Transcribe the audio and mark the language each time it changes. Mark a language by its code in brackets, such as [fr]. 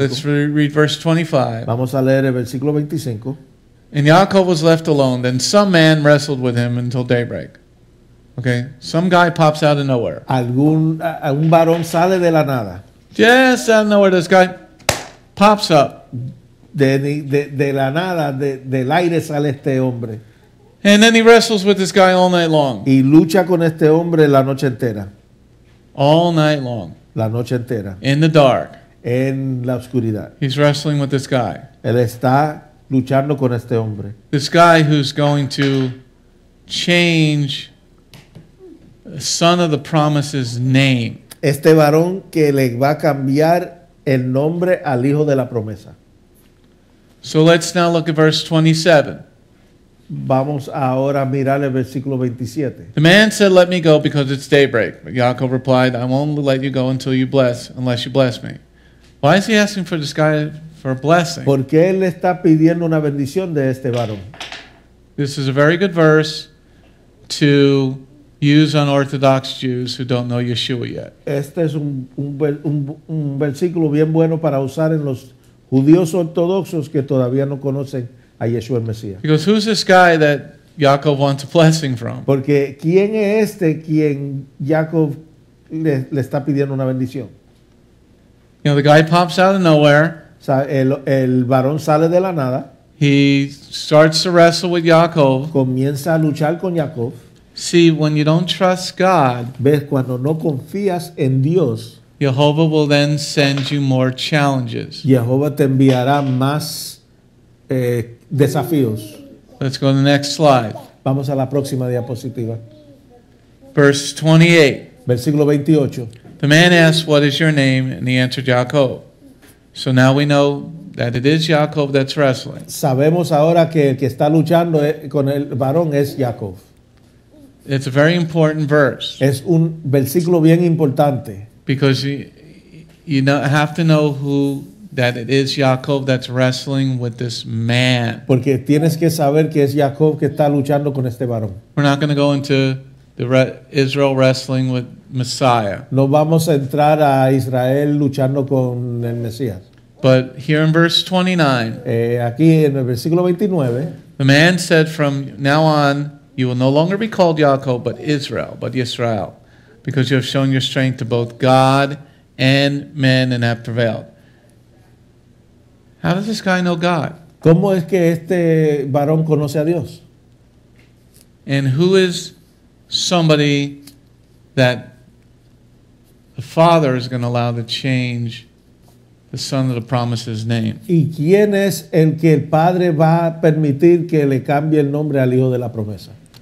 [en] let's read verse 25. [es] Vamos a leer el versículo 25. [en] And Yaakov was left alone. Then some man wrestled with him until daybreak. Okay? Some guy pops out of nowhere. [es] Algún varón sale de la nada. [en] Just out of nowhere, this guy pops up. [es] De la nada, del aire sale este hombre. [en] And then he wrestles with this guy all night long. [es] Y lucha con este hombre la noche entera. [en] All night long. [es] La noche entera. [en] In the dark. [es] En la oscuridad. [en] He's wrestling with this guy. [es] Él está luchando con este hombre. [en] This guy who's going to change son of the promise's name. [es] Este varón que le va a cambiar el nombre al hijo de la promesa. [en] So let's now look at verse 27. [es] Vamos ahora a mirar el versículo 27. [en] The man said, "Let me go because it's daybreak." But Yaakov replied, "I won't let you go until you bless, unless you bless me." Why is he asking for this guy for a blessing? [es] ¿Por qué él está pidiendo una bendición de este varón? [en] This is a very good verse to use on Orthodox Jews who don't know Yeshua yet. [es] Este es un versículo bien bueno para usar en los judíos ortodoxos que todavía no conocen a Yeshua el Mesías. [en] Because who's this guy that Yaakov wants a blessing from? [es] Porque ¿quién es este quien Yaakov le está pidiendo una bendición? [en] You know, the guy pops out of nowhere. [es] El varón sale de la nada. [en] He starts to wrestle with Yaakov. [es] Comienza a luchar con Yaakov. [en] See, when you don't trust God, [es] ves, cuando no confías en Dios, [en] Jehovah will then send you more challenges. [es] Jehovah te enviará más desafíos. [en] Let's go to the next slide. [es] Vamos a la próxima diapositiva. [en] Verse 28. [es] Versículo 28. [en] The man asked, "What is your name?" And he answered, "Yaakov." So now we know that it is Yaakov that's wrestling. [es] Sabemos ahora que el que está luchando con el varón es Yaakov. [en] It's a very important verse. [es] Es un versículo bien importante. [en] Because you have to know who that it is Yaakov that's wrestling with this man. [es] Porque tienes que saber que es Yaakov que está luchando con este varón. [en] We're not going to go into Israel wrestling with Messiah. [es] No vamos a entrar a Israel luchando con el Mesías. [en] But here in verse 29, [es] aquí en el versículo 29, [en] the man said, "From now on, you will no longer be called Yaakov, but Israel, because you have shown your strength to both God and men and have prevailed. How does this guy know God? [es] ¿Cómo es que este varón conoce a Dios? [en] And who is somebody that the Father is going to allow to change the Son of the Promise's name? [es] ¿Y quién es el que el Padre va a permitir que le cambie el nombre al Hijo de la Promesa?